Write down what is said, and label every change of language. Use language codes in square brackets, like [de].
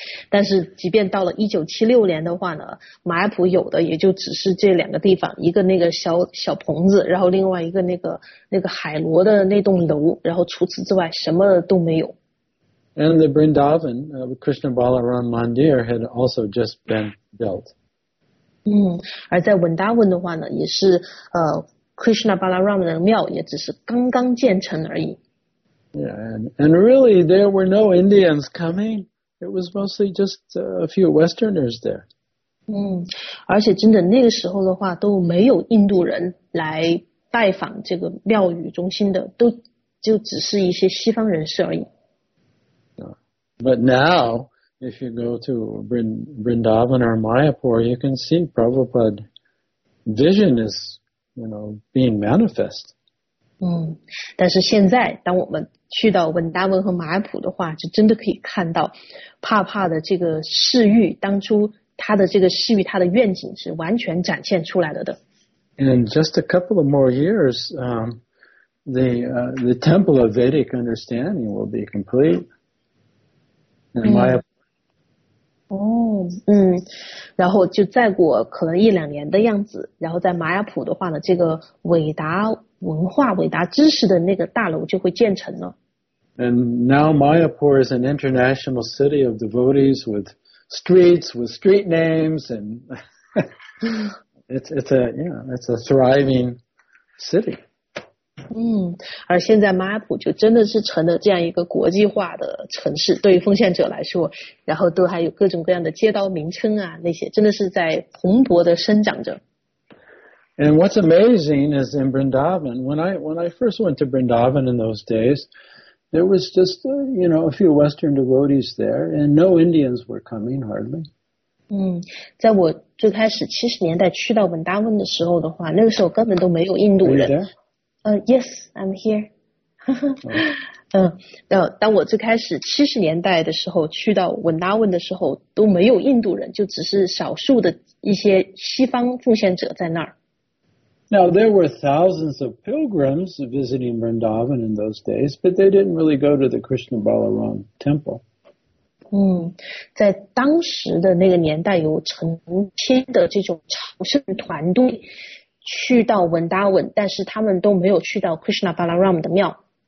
[zh] 但是即便到了1976年的话呢，马尔普有的也就只是这两个地方，一个那个小棚子，然后另外一个那个海螺的那栋楼，然后除此之外什么都没有。 [en] And the Vrindavan, Krishna Balaram Mandir had also just been built. [zh] 而在 Vrindavan 的话呢，也是Krishna Balaram 的庙也只是刚刚建成而已。 [en] Yeah, and really there were no Indians coming. It was mostly just a few Westerners there. [zh] 而且真的那个时候的话都没有印度人来拜访这个庙宇中心的，都就只是一些西方人士而已。 [en] But now, if you go to Vrindavan or Mayapur, you can see Prabhupada's vision is, you know, being manifest. [zh] 但是现在当我们去到文达文和马尔普的话，就真的可以看到帕帕的这个誓欲，当初他的这个誓欲，他的愿景是完全展现出来了的。 [en] In just a couple of more years, the temple of Vedic understanding will be complete. And Mayapur. [zh] 然后就再过可能一两年的样子，然后在马尔普的话呢，这个伟达文化伟达知识的那个大楼就会建成了。 [en] And now Mayapur is an international city of devotees with streets with street names, and it's a thriving city. [zh] 而现在马尔普就真的是成了这样一个国际化的城市，对于奉献者来说，然后都还有各种各样的街道名称啊，那些真的是在蓬勃的生长着。 [en] And what's amazing is in Vrindavan, when I first went to Vrindavan in those days, there was just, you know, a few Western devotees there, and no Indians were coming, hardly. [zh] 在我最开始70年代去到文达温的时候的话，那个时候根本都没有印度人。 [en] Yes, I'm here. [zh] 当我最开始70年代的时候去到文达温的时候，都没有印度人，就只是少数的一些西方奉献者在那儿。 [en] Now, there were thousands of pilgrims visiting Vrindavan in those days, but they didn't really go to the Krishna Balaram temple. [zh] 在当时的那个年代，有成千的这种朝圣团队去到文达文，但是他们都没有去到 Krishna Balaram 的庙。